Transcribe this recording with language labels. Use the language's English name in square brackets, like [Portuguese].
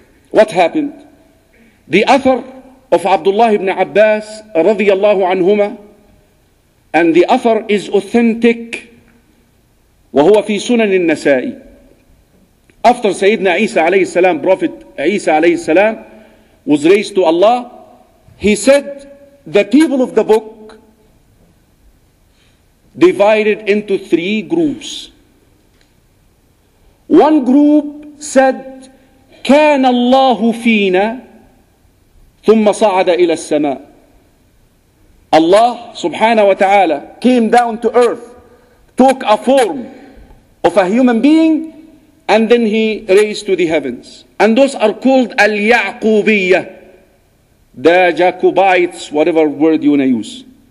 [English] What happened? The author of Abdullah ibn Abbas radiyallahu anhuma, and the author is authentic, [Arabic] wa huwa fi sunan al-Nasa'i. [English] After Sayyidina Isa alayhi salam, Prophet Isa alayhi salam was raised to Allah, he said the people of the book divided into three groups. One group said, [Arabic] كان الله فينا ثم صعد إلى السماء. [English] Allah subhanahu wa ta'ala came down to earth, took a form of a human being, and then he raised to the heavens. And those are called al-Ya'qubiyya, the Jacobites, whatever word you want to use.